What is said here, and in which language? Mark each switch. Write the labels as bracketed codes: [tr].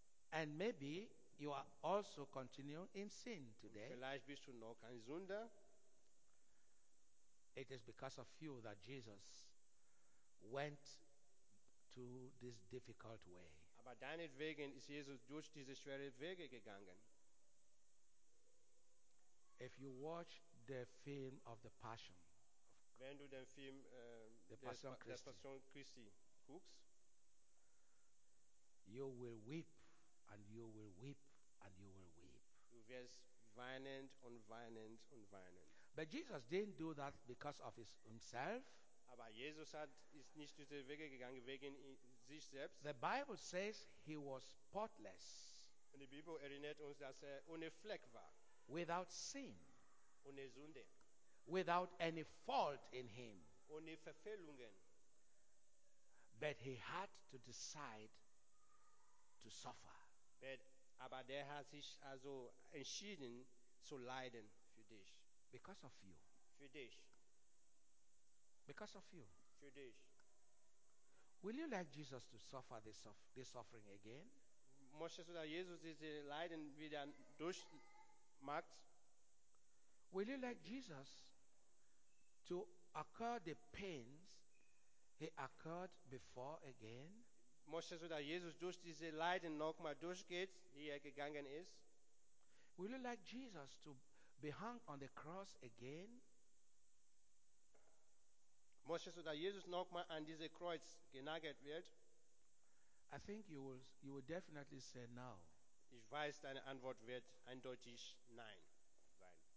[en] And maybe you are also continuing in sin today. [de] Vielleicht bist du noch ein Sünder. [en] It is because of you that Jesus went to this difficult way. [de] Aber deinetwegen ist Jesus durch diese schwere Wege gegangen. [en] If you watch the film of the Passion, [de] wenn du den Film Passion Christi guckst, [en] you will weep and you will weep and you will weep. [de] Du wirst weinend und weinend und weinend. [en] But Jesus didn't do that because of himself. [de] Aber Jesus ist nicht durch den Weg gegangen wegen sich selbst. [en] The Bible says he was spotless. [de] Und die Bibel erinnert uns, dass er ohne Fleck war. [en] Without sin. [de] Ohne Sünde. [en] Without any fault in him. [de] Ohne Verfehlungen. [en] But he had to decide to suffer. [de] Aber der hat sich also entschieden zu leiden für dich. [en] Because of you. [de] Für dich. [en] Because of you. [de] Für dich. [en] Will you like Jesus to suffer this suffering again? [de] Möchtest du, dass Jesus diese Leiden wieder durch macht? [en] Will you like Jesus to incur the pains he incurred before again? [de] Möchtest du, dass Jesus durch diese Leiden nochmal durchgeht, die er gegangen ist? [en] Will you like Jesus to be hung on the cross again? [de] Möchtest du, dass Jesus nochmal an diese Kreuz genagelt wird? [en] I think you will definitely say no. [de] Ich weiß, deine Antwort wird eindeutig nein sein.